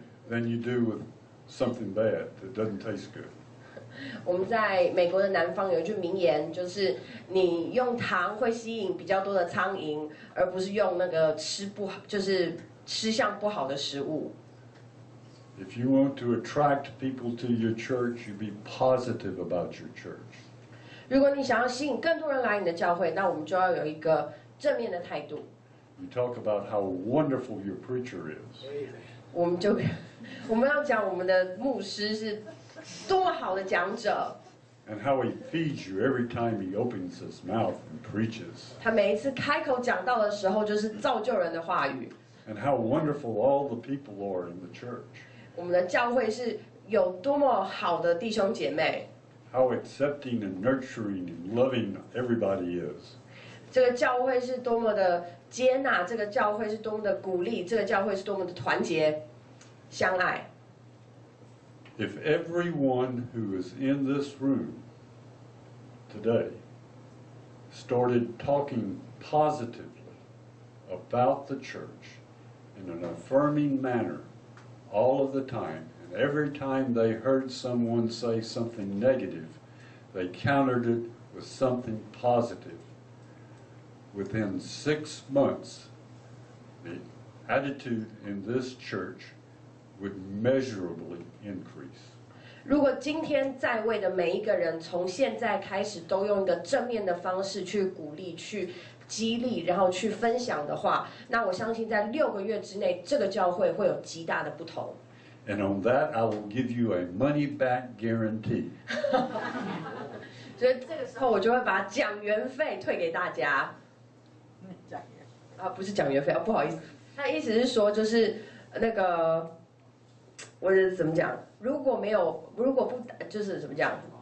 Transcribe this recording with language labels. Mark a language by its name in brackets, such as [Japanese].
[English] than you do with something bad that doesn't taste good. [Chinese] 我们在美国的南方有一句名言，就是你用糖会吸引比较多的苍蝇，而不是用那个吃不好，就是吃相不好的食物。 [English] If you want to attract people to your church, you be positive about your church. [Chinese] 如果你想要吸引更多人来你的教会，那我们就要有一个正面的态度。 [English] You talk about how wonderful your preacher is. [Chinese] 我们要讲我们的牧师是多么好的讲者。 [English] And how he feeds you every time he opens his mouth and preaches. [Chinese] 他每一次开口讲道的时候，就是造就人的话语。 [English] And how wonderful all the people are in the church. [Chinese] 我们的教会是有多么好的弟兄姐妹。 [English] How accepting and nurturing and loving everybody is. [Chinese] 这个教会是多么的接纳，这个教会是多么的鼓励，这个教会是多么的团结、相爱。 [English] If everyone who is in this room today started talking positively about the church in an affirming manner all of the time, and every time they heard someone say something negative, they countered it with something positive. Within 6 months, the attitude in this church would measurably increase. [Chinese] 如果今天在位的每一个人从现在开始都用一个正面的方式去鼓励、去激励，然后去分享的话，那我相信在六个月之内，这个教会会有极大的不同。 [English] And on that, I will give you a money back guarantee. [Chinese] 所以这个时候我就会把讲员费退给大家。讲员啊，不是讲员费啊，不好意思。他意思是说，就是那个，我是怎么讲？如果没有，如果不，就是怎么讲？